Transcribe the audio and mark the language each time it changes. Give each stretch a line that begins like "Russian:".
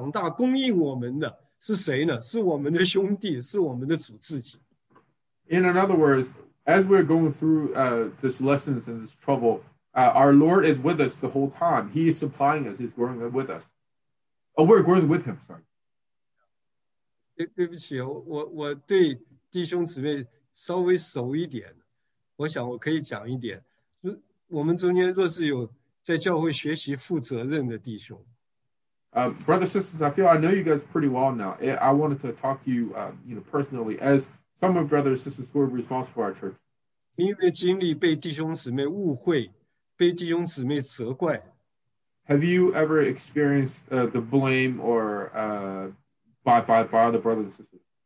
Chinese: 或者这样讲呢，在这些经历里面陪我们一起长大、供应我们的。是谁呢?是我们的兄弟, 是我们的主自己。
English: In another words, as we're going through this lessons and this trouble, our Lord is with us the whole time. He is supplying us. He's growing with us. Oh, we're growing with Him, sorry.
Chinese: 对不起,我对弟兄姊妹稍微熟一点,我想我可以讲一点。我们中间若是有在教会学习负责任的弟兄,
English: Brothers and sisters, I feel I know you guys pretty well now. I wanted to talk to you, you know, personally as some of brothers and sisters who are responsible for our church.
Chinese: 因为经历被弟兄姊妹误会，被弟兄姊妹责怪。
English: Have you ever experienced the blame or by other brothers and sisters?